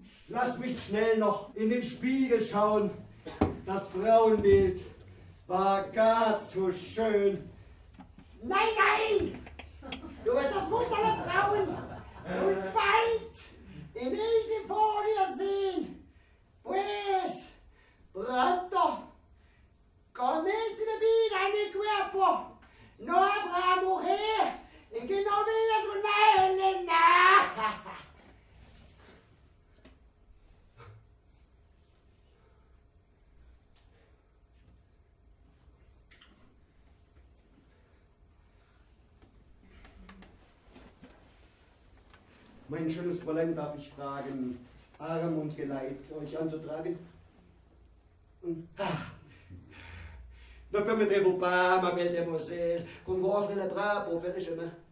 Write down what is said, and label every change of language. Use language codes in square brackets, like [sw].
[de] Lass mich schnell noch in den Spiegel schauen. Das Frauenbild war gar zu schön. Nein, nein! Du bist das Muster der Frauen. Und bald in Ilde vor dir sehen. [es] Pues, pronto, con este bebida en el cuerpo, no habrá mujer en que no veas una Elena. [de] Mein schönes Fräulein, darf ich fragen, Arm und Geleit euch anzutragen? [fr] Ne permettez-vous pas, ma belle demoiselle, qu'on vous offre les bras pour faire le chemin.